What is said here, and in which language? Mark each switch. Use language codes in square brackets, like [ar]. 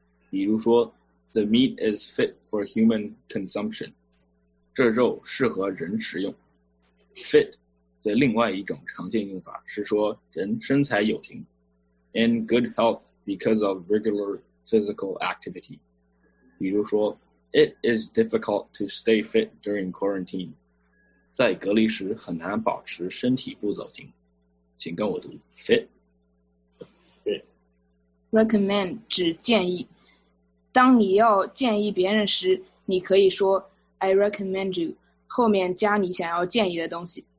[zh] 比如说 [en] ,the meat is fit for human consumption. [zh] 这肉适合人食用。 Fit 的另外一种常见用法是说人身材有型。 [en] In good health because of regular physical activity. [zh] 比如说 [en] ,it is difficult to stay fit during quarantine. [zh] 在隔离时很难保持身体不走形。请跟我读 , [en] fit. [zh] Recommend 指建议。当你要建议别人时，你可以说 [en] I recommend you， [zh] 后面加你想要建议的东西。